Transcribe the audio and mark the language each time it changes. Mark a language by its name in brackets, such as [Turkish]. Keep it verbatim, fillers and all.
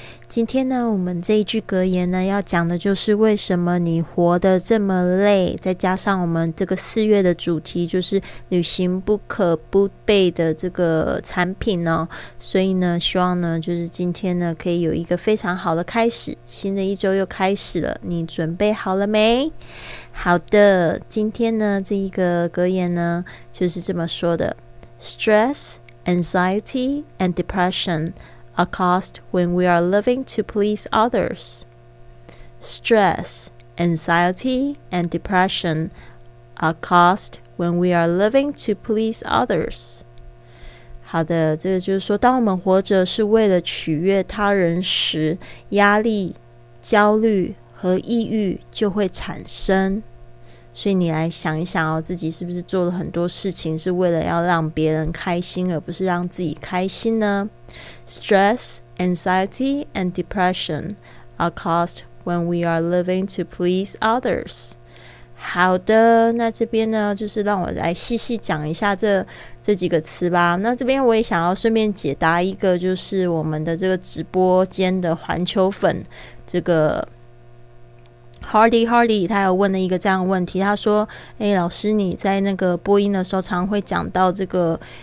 [Chinese] 今天呢，我们这一句格言呢，要讲的就是为什么你活得这么累，再加上我们这个四月的主题就是旅行不可不备的这个产品呢、哦，所以呢，希望呢，就是今天呢，可以有一个非常好的开始。新的一周又开始了，你准备好了没？好的，今天呢，这一个格言呢，就是这么说的 ： [English] Stress, anxiety, and depression are caused when we are living to please others. Stress, anxiety, and depression are caused when we are living to please others. [Chinese] 好的，这个就是说，当我们活着是为了取悦他人时，压力、焦虑和抑郁就会产生。所以你来想一想哦，自己是不是做了很多事情是为了要让别人开心，而不是让自己开心呢？ [English] Stress, anxiety, and depression are caused when we are living to please others. [Chinese] 好的，那这边呢，就是让我来细细讲一下这这几个词吧。那这边我也想要顺便解答一个，就是我们的这个直播间的环球粉，这个Hardy Hardy 他有问了一个这样的问题，他说诶老师，你在那个播音的时候常会讲到这个